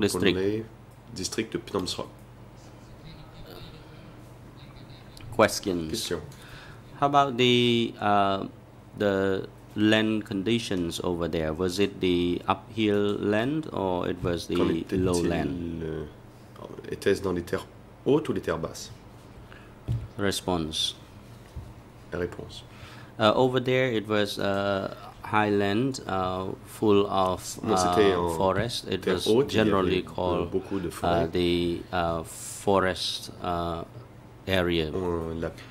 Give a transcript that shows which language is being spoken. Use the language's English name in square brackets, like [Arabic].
[French] district. District de Plumsrock. [English] Question. How about the land conditions over there? Was it the uphill land or it was the low land? [French] Était-ce dans les terres hautes ou les terres basses? Réponse. [English] Over there, it was high land, full of forest. It was [French] haute, [English] generally called the forest area.